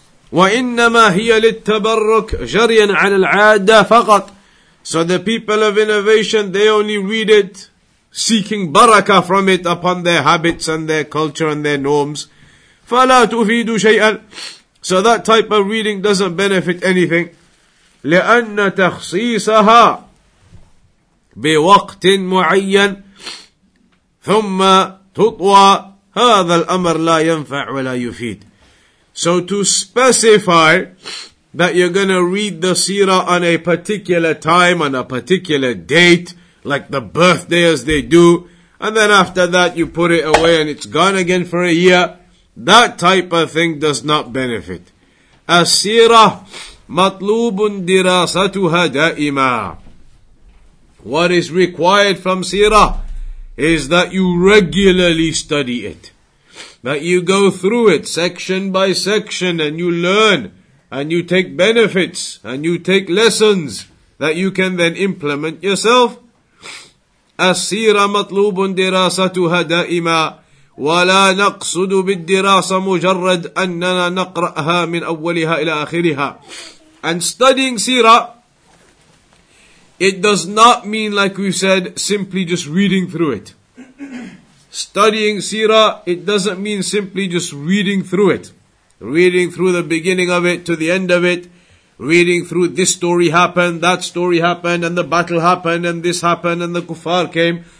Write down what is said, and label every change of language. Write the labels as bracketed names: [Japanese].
[Arabic] وَإِنَّمَا هِيَ لِلتَّبَرُّكْ جَرْيًا عَلَى الْعَادَةِ فَقَطْ. [English] So the people of innovation, they only read it seeking barakah from it upon their habits and their culture and their norms. [Arabic] فَلَا تُفِيدُ شَيْئًا. [English] So that type of reading doesn't benefit anything. [Arabic] لأن تخصيصها بوقت معين ثم تطوى هذا الأمر لا ينفع ولا يفيد. [English] So to specify that you're going to read the Seerah on a particular time, on a particular date, like the birthday as they do, and then after that you put it away and it's gone again for a year, that type of thing does not benefit. [Arabic] A Seerah مطلوب دراستها دائما. [English] What is required from Seerah is that you regularly study it. That you go through it section by section and you learn and you take benefits and you take lessons that you can then implement yourself. [Arabic] السيرة مطلوب دراستها دائما ولا نقصد بالدراسة مجرد أننا نقرأها من أولها إلى آخرها. [English] and studying seerah, it does not mean, like we said, simply just reading through it. Studying seerah, it doesn't mean simply just reading through it. Reading through the beginning of it to the end of it. Reading through this story happened, that story happened, and the battle happened, and this happened, and the kuffar came.